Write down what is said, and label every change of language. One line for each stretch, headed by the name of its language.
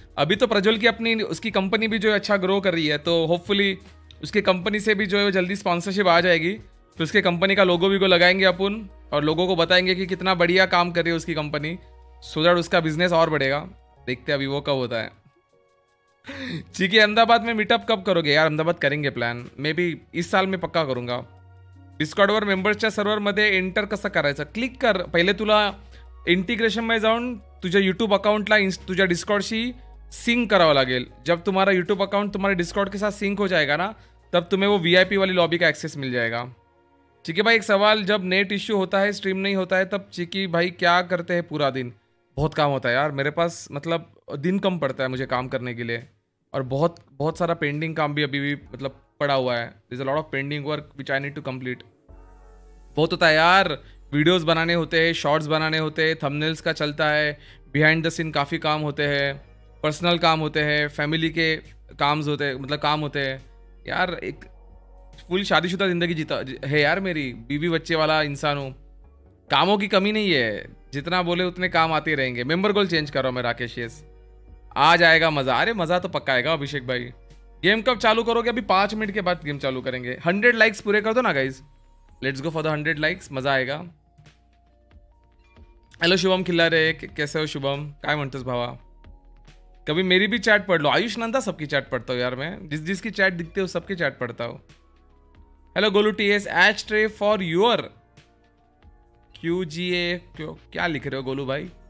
Hindi: अभी तो प्रज्वल की अपनी उसकी कंपनी भी जो है अच्छा ग्रो कर रही है, तो होपफुली उसकी कंपनी से भी जो है वो जल्दी स्पॉन्सरशिप आ जाएगी, तो उसके कंपनी का लोगो भी को लगाएंगे अपन और लोगों को बताएंगे कि कितना बढ़िया काम कर रही है उसकी कंपनी, सो दैट उसका बिजनेस और बढ़ेगा। देखते हैं अभी वो कब होता है। ठीक है, अहमदाबाद में मीटअप कब करोगे? यार अहमदाबाद करेंगे प्लान, मे बी इस साल में पक्का करूंगा।
Marathi: डिस्कॉर्ड वर मेंबर्सच्या सर्वर मध्ये एंटर कसं करायचं? क्लिक कर, पहिले तुला इंटिग्रेशन मध्ये जाऊन तुझ्या यूट्यूब अकाउंटला तुझ्या डिस्कॉर्डशी सिंक करावं लागेल।
Hindi: जब तुम्हारा यूट्यूब अकाउंट तुम्हारे डिस्कॉर्ड के साथ सिंक हो जाएगा ना, तब तुम्हें वो VIP वाली लॉबी का एक्सेस मिल जाएगा। चिकी भाई एक सवाल, जब नेट इश्यू होता है स्ट्रीम नहीं होता है तब चिकी भाई क्या करते हैं पूरा दिन? बहुत काम होता है यार मेरे पास, मतलब दिन कम पड़ता है मुझे काम करने के लिए, और बहुत बहुत सारा पेंडिंग काम भी अभी भी मतलब पड़ा हुआ है।
English: Is a lot of pending work which I need to complete.
Hindi: बहुत होता है यार, वीडियोज बनाने होते हैं, शॉर्ट्स बनाने होते हैं, थंबनेल्स का चलता है, बिहाइंड द सीन काफ़ी काम होते हैं, पर्सनल काम होते हैं, फैमिली के काम्स होते हैं, मतलब काम होते हैं यार। एक फुल शादीशुदा जिंदगी जीता है यार, मेरी बीवी बच्चे वाला इंसान हूँ, कामों की कमी नहीं है, जितना बोले उतने काम आते रहेंगे। मेंबर गोल चेंज करो मैं राकेश, यस आज आएगा मज़ा। अरे मज़ा तो पक्का आएगा अभिषेक भाई। गेम कब चालू करोगे? अभी 5 मिनट के बाद गेम चालू करेंगे। 100 लाइक्स पूरे कर दो ना guys,
English: let's go for the 100 likes,
Hindi: मज़ा आएगा। हेलो शुभम खिल्लारे कैसे हो शुभम,
Marathi: काय म्हणतोस भावा?
Hindi: कभी मेरी भी चैट पढ़ लो, आयुष नंदा सबकी चैट पढ़ता हूँ यार मैं, जिस जिसकी चैट दिखते हो सबकी चैट पढ़ता हूँ। Hello Golu TS, H tray for your QGA, क्यों क्या लिख रहे हो गोलू भाई?